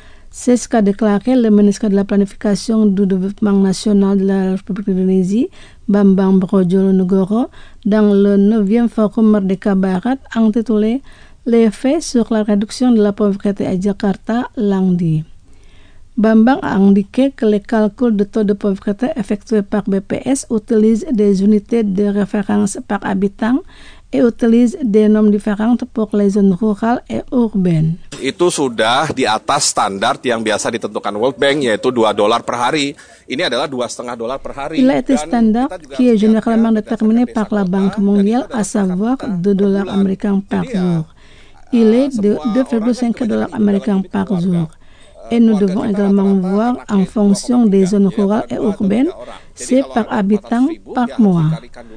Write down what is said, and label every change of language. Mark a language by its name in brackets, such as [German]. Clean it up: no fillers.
[French] C'est ce qu'a déclaré le ministre de la Planification du Développement National de la République d'Indonésie, Bambang Brojonegoro, dans le 9e Forum Merdeka Barat, intitulé « L'effet sur la réduction de la pauvreté à Jakarta » lundi. Bambang a indiqué que les calculs de taux de pauvreté effectués par BPS utilisent des unités de référence par habitant et utilise des normes différentes pour les zones rurales et urbaines. [Indonesian] Itu sudah di atas standar yang biasa ditentukan World Bank, yaitu 2 dolar per hari. Ini adalah 2,5 dolar per hari. [French] Il a été standard qui est généralement déterminé par la Banque mondiale, à savoir 2 dollars américains par jour. Il est de 2,5 dollars américains par jour. Et nous devons également voir en fonction des zones rurales et urbaines, c'est par habitant par mois.